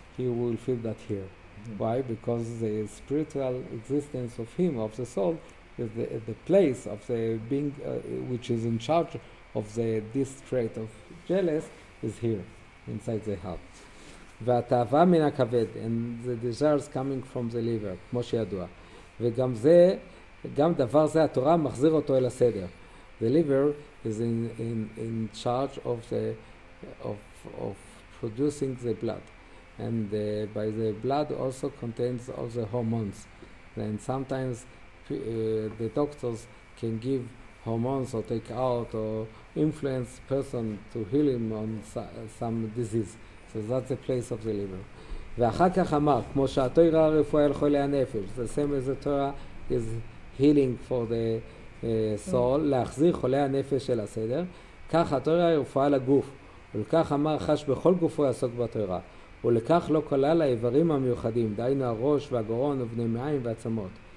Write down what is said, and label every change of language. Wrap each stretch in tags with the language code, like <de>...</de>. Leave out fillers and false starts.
<en>He will feel that here. Mm-hmm. Why? Because the spiritual existence of him, of the soul, the place of the being which is in charge of the trait of jealous is here inside the heart.</en> <he>והתאווה מן הכבד,</he> <en>and the desires coming from the liver,</en> <he>כמו שידוע. וגם זה, גם דבר זה התורה מחזיר אותו אל הסדר.</he> <en>The liver is in charge of the of producing the blood, and by the blood also contains all the hormones. And sometimes the doctors can give hormones or take out or influence person to heal him on some disease. So that's the place of the liver.</en> <he>ואחר כך אמר, כמו שהתורה רפואה לחולי הנפש,</he> <en>the same as the Torah is healing for the soul,</en> <he>להחזיר חולי הנפש אל הסדר, כך התורה רפואה לגוף, ולכך אמר חש בכל גופו יעסוק בתורה, ולכך לא כלל האיברים המיוחדים, דיינו הראש והגרון ובני מעיים ועצמות.</he>